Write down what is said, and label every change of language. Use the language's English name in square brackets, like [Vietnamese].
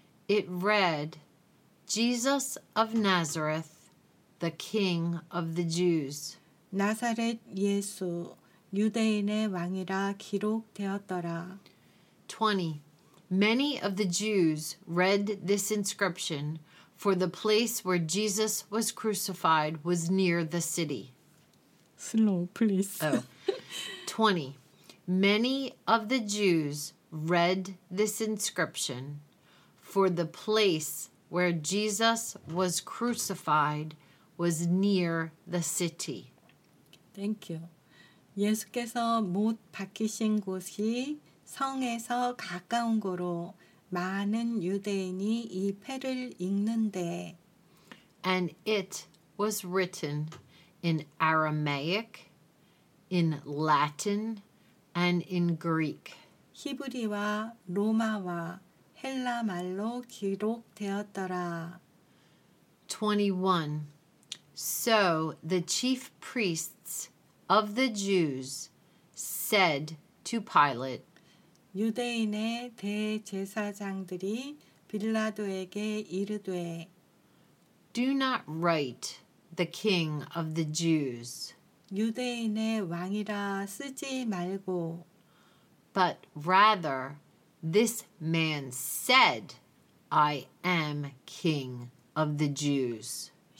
[English] it read, Jesus of Nazareth, the king of the Jews. [Korean] 나사렛 예수, 유대인의 왕이라 기록되었더라. [English] 20. Many of the Jews read this inscription, for the place where Jesus was crucified was near the city. Slow, please. Oh. 20. Many of the Jews read this inscription, for the place where Jesus was crucified was near the city. Thank you. [Korean] 예수께서 못 박히신 곳이 성에서 가까운 거로 많은 유대인이 이 패를 읽는데 [English] And it was written in Aramaic, in Latin, and in Greek. [Korean] 히브리와 로마와 헬라 말로 기록되었더라. [English] 21. So the chief priests of the Jews said to Pilate, [Korean] 유대인의 대제사장들이 빌라도에게 이르되, [English] Do not write the king of the Jews, [Korean] 유대인의 왕이라 쓰지 말고, [English] but rather this man said, I am king of the Jews.